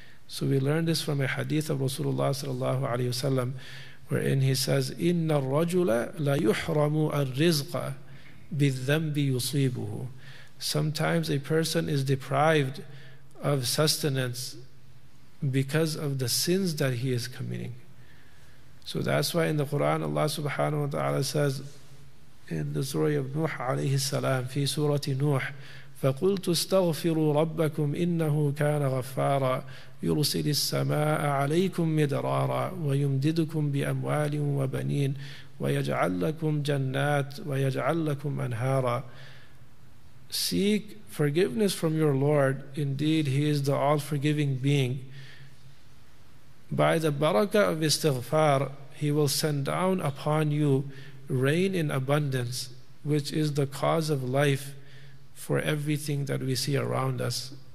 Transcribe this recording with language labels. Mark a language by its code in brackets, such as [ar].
[en] So we learn this from a hadith of Rasulullah sallallahu alayhi wa sallam, wherein he says, [ar] إِنَّ الرَّجُلَ لَيُحْرَمُ الرِّزْقَ بِالذَّنْبِ يُصِيبُهُ. [en] Sometimes a person is deprived of sustenance because of the sins that he is committing. So that's why in the Quran, Allah subhanahu wa ta'ala says, in the story of Nuh alayhi salam, [ar] في سورة نوح, فَقُلْتُ اسْتَغْفِرُوا رَبَّكُمْ إِنَّهُ كَانَ غَفَّارًا يُرْسِلِ السَّمَاءَ عَلَيْكُمْ مِدْرَارًا وَيُمْدِدُكُمْ بِأَمْوَالٍ وَبَنِينَ وَيَجْعَلْ لَكُمْ جَنَّاتٍ وَيَجْعَلْ لَكُمْ أَنْهَارًا. [en] Seek forgiveness from your Lord. Indeed, He is the all-forgiving being. By the barakah of istighfar, He will send down upon you rain in abundance, which is the cause of life for everything that we see around us.